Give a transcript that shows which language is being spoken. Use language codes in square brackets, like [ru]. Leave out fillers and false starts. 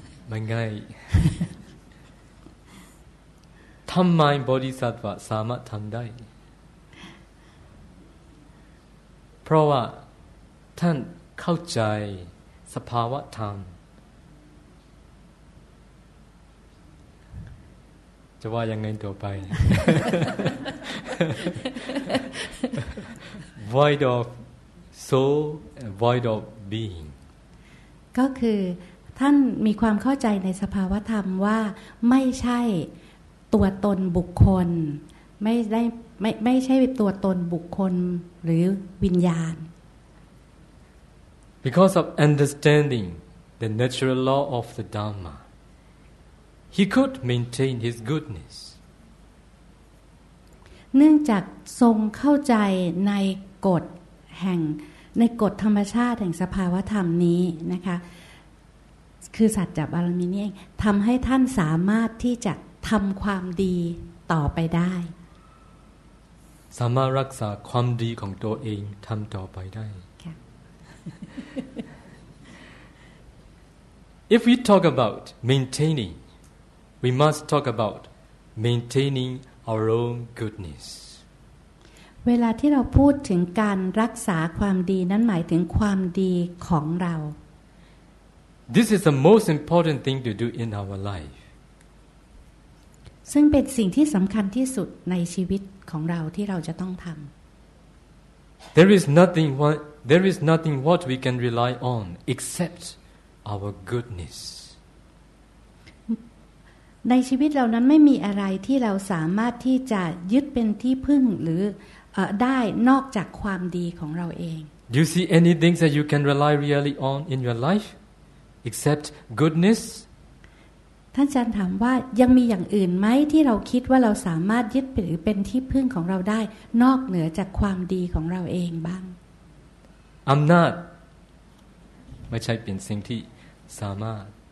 [th] มันง่ายทำไมบริษัทว่าสามารถทำได้เพราะว่าท่านเข้าใจสภาวะธรรมจะว่ายังไงต่อไป [en] void of soul and void of being [th] ก็คือท่านมีความเข้าใจในสภาวะธรรมว่าไม่ใช่ตัวตนบุคคลไม่ได้ไม่ใช่ตัวตนบุคคลหรือวิญญาณ [en] Because of understanding the natural law of the Dharma he could maintain his goodness [th] เนื่องจากทรงเข้าใจในกฎแห่งในกฎธรรมชาติแห่งสภาวธรรมนี้นะคะคือสัจจบารมีนี้ทำให้ท่านสามารถที่จะทำความดีต่อไปได้ สามารถรักษาความดีของตัวเองทำต่อไปได้ [en] If we talk about maintaining we must talk about maintaining our own goodness [th] เวลาที่เราพูดถึงการรักษาความดีนั้นหมายถึงความดีของเรา [en] This is the most important thing to do in our life [th] ซึ่งเป็นสิ่งที่สำคัญที่สุดในชีวิตของเราที่เราจะต้องทำ [en] There is nothing what we can rely on except our goodness [th] ในชีวิตเรานั้นไม่มีอะไรที่เราสามารถที่จะยึดเป็นที่พึ่งหรือได้นอกจากความดีของเราเอง [en] Do you see anything that you can rely really on in your life except goodness [th] ท่านอาจารย์ถามว่ายังมีอย่างอื่นไหมที่เราคิดว่าเราสามารถยึดหรือเป็นที่พึ่งของเราได้นอกเหนือจากความดีของเราเองบ้าง อำนาจไม่ใช่เป็นสิ่งที่สามารถ